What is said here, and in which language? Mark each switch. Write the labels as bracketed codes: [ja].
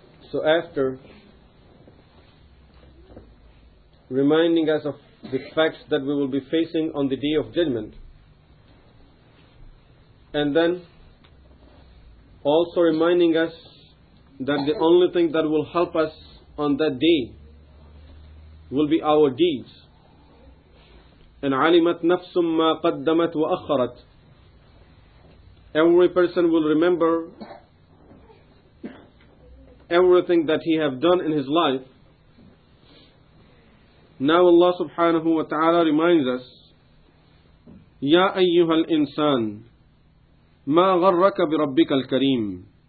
[en] So after reminding us of the facts that we will be facing on the Day of Judgment, and then also reminding us that the only thing that will help us on that day will be our deeds. And [ar] عَلِمَتْ نَفْسٌ مَا قَدَّمَتْ وَأَخَّرَتْ. [en] Every person will remember everything that he have done in his life. Now Allah subhanahu wa ta'ala reminds us, [ar] يَا أَيُّهَا الْإِنسَانِ مَا غَرَّكَ بِرَبِّكَ الْكَرِيمِ.